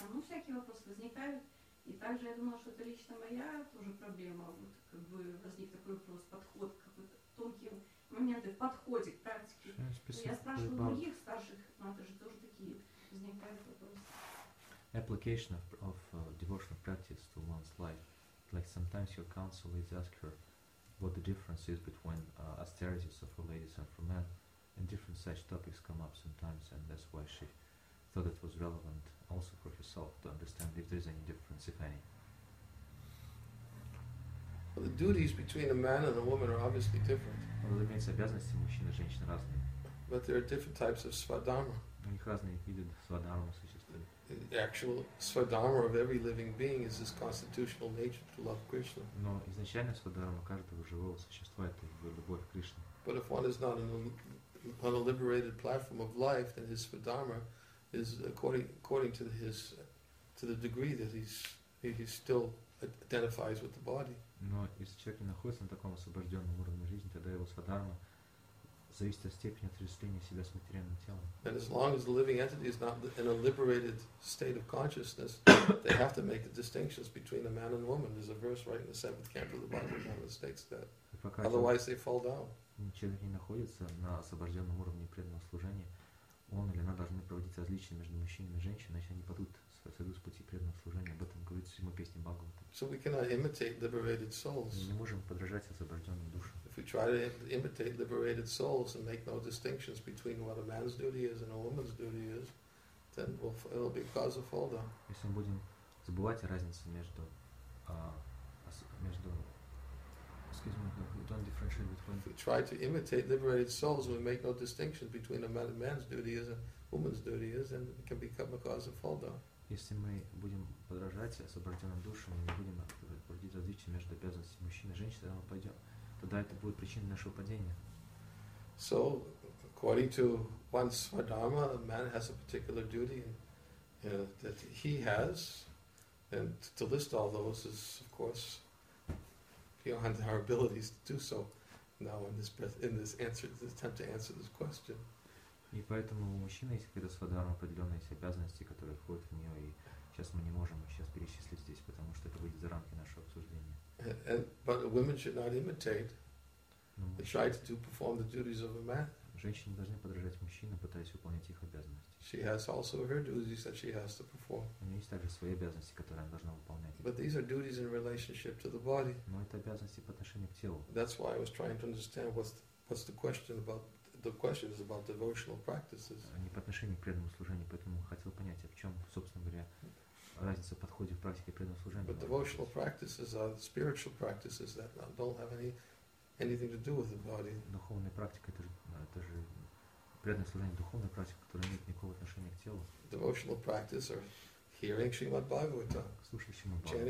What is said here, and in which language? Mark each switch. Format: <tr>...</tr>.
<ru>Там, ну, всякие вопросы возникают. И также я думала, что это лично моя тоже проблема. Вот как бы возник такой вопрос, подход к тонкие моменты в подходе к практике. Я спрашиваю других старших, это же тоже такие возникают вопросы.</ru> <en>Application of devotional practice to one's life. Like sometimes your counsel is ask her what the difference is between austerities of for ladies and for men, and different such topics come up sometimes, and that's why she thought it was relevant also for herself to understand if there's any difference, if any. Well, the duties between a man and a woman are obviously different. Well, it means</en> <ru>обязанности мужчин и женщин разные.</ru> <en>But there are different types of svadharma.</en> <ru>У них разные виды свадхармы существуют.</ru> <en>The actual svadharma of every living being is his constitutional nature to love Krishna.</en> <ru>Но изначальная свадхарма каждого живого существа — это его любовь к Кришне.</ru> <en>But if one is not on a liberated platform of life, then his svadharma is according to his to the degree that he's still identifies with the body.</en> <ru>Но если человек находится на таком освобожденном уровне жизни, тогда его свадхарма зависит от степени отождествления себя с материальным телом.</ru> <en>And as long as the living entity is not in a liberated state of consciousness, they have to make the distinctions between a man and woman. There's a verse right in the seventh canto of the Bhagavad Gita that states that. Otherwise, they fall down.</en> <ru>Человек не находится на освобожденном уровне преданного служения, он или она должны проводить различия между мужчинами и женщинами, иначе они падут с пути преданного служения. Об этом говорит ему песня Бхагавата.</ru> <en>So we cannot imitate liberated souls.</en> <ru>Мы не можем подражать освобожденным душам.</ru> <en>If we try to imitate liberated souls and make no distinctions between what a man's duty is and a woman's duty is, then it'll be cause of fall down.</en> <ru>Если мы будем забывать о разнице между</ru> <en>excuse me, no, we don't differentiate between. If we try to imitate liberated souls and we make no distinction between a man's duty is and a woman's duty is, then it can become a cause of fall down.</en> <ru>Если мы будем подражать освобожденным душам, мы не будем проводить различия между обязанностями мужчины и женщины, тогда мы пойдем. Тогда это будет причиной нашего падения.</ru> <en>So, according to one Swadharma, a man has a particular duty that he has, and to list all those is, of course, beyond our abilities to do so. now in this breath, in this answer, this attempt to answer this question.</en> <ru>И поэтому у мужчины есть какие-то свадхарма, определенные есть обязанности, которые входят в нее, и сейчас мы не можем сейчас перечислить здесь, потому что это выйдет за рамки нашего обсуждения.</ru> <en>But women should not imitate. They try to do, perform the duties of a man.</en> <ru>Женщины должны подражать мужчинам, пытаясь выполнять их обязанности.</ru> <en>She has also her duties that she has to perform.</en> <ru>У нее есть также свои обязанности, которые она должна выполнять.</ru> <en>But these are duties in relationship to the body.</en> <ru>Но это обязанности по отношению к телу.</ru> <en>That's why I was trying to understand what's the question about. The question is about devotional practices.</en> <ru>Не по отношению к преданному служению, поэтому хотел понять, в чем, собственно говоря, разница в подходе в практике преданного служения.</ru> <en>But devotional practices are spiritual practices that don't have anything to do with the body.</en> <ru>Духовная практика это же преданное служение, духовная практика, которая имеет никакого отношения к телу.</ru> <en>Devotional practices are hearing Srimad Bhagavatam,</en> <ru>слушать Шримад Бхагаватам,</ru>